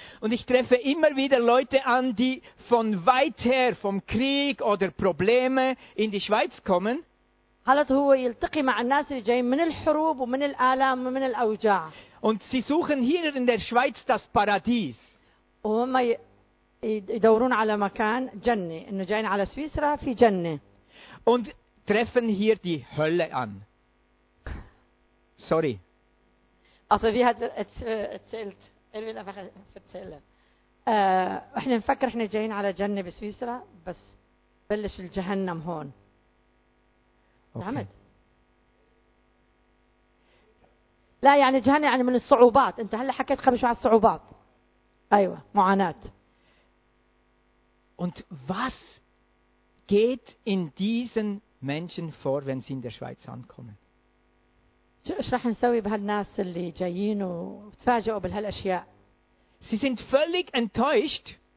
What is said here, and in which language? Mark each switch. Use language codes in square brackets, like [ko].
[de] Und ich treffe immer wieder Leute an, die von weit her, vom Krieg oder Probleme in die Schweiz kommen. [ar] هلت هو يلتقي مع الناس اللي جايين من الحروب ومن الآلام ومن الأوجاع. [de] Und sie suchen hier in der Schweiz das Paradies. [ar] وهم يدورون على مكان جنة. إنه جايين على سويسرا في جنة. [de] Und treffen hier die Hölle an. Sorry. Also wie hat er erzählt? Er will einfach erzählen. [ar] احنا نفكر احنا جايين على جنة بسويسرا بس بلش الجهنم هون. محمد. لا يعني جهنم يعني من الصعوبات. انت هلا حكيت قبل شوي على الصعوبات. ايوه معاناة. [de] Und was geht in diesen Menschen vor, wenn sie in der Schweiz ankommen? Sie sind völlig enttäuscht.